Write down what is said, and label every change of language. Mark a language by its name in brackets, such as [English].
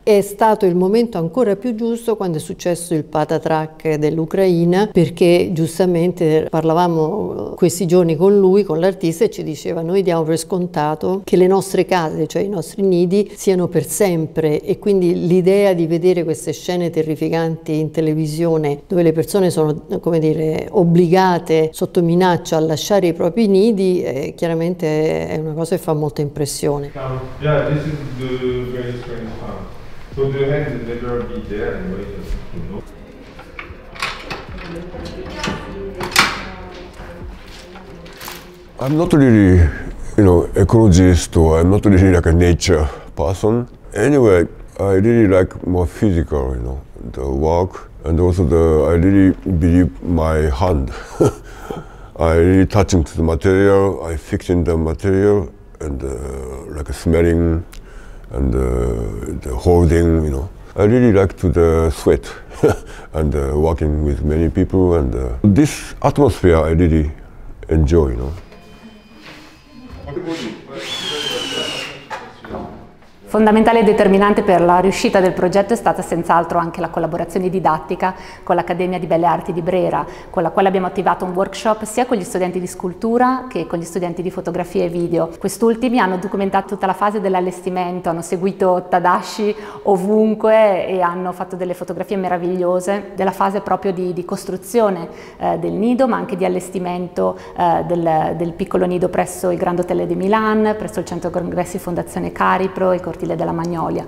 [Italian] È stato il momento ancora più giusto quando è successo il patatrac dell'Ucraina, perché giustamente parlavamo questi giorni con lui, con l'artista, e ci diceva: noi diamo per scontato che le nostre case, cioè i nostri nidi, siano per sempre, e quindi l'idea di vedere queste scene terrificanti in televisione dove le persone sono obbligate sotto minaccia a lasciare i propri nidi, chiaramente è una cosa che fa molta impressione. [English] Yeah, this is the very strange part. So the hands will never be there anyway, you know. I'm not really, ecologist, or I'm not really like a nature person. Anyway, I really like more physical, the work. And also I really believe my hand. I really touch into the material, I fix in the material, and like smelling and the holding, I really like to the sweat and working with many people, and this atmosphere I really enjoy, [Italian] Fondamentale e determinante per la riuscita del progetto è stata senz'altro anche la collaborazione didattica con l'Accademia di Belle Arti di Brera, con la quale abbiamo attivato un workshop sia con gli studenti di scultura che con gli studenti di fotografia e video. Quest'ultimi hanno documentato tutta la fase dell'allestimento, hanno seguito Tadashi ovunque e hanno fatto delle fotografie meravigliose della fase proprio di costruzione del nido, ma anche di allestimento del piccolo nido presso il Grand Hotel de Milan, presso il Centro Congressi Fondazione Caripro, cortile della Magnolia.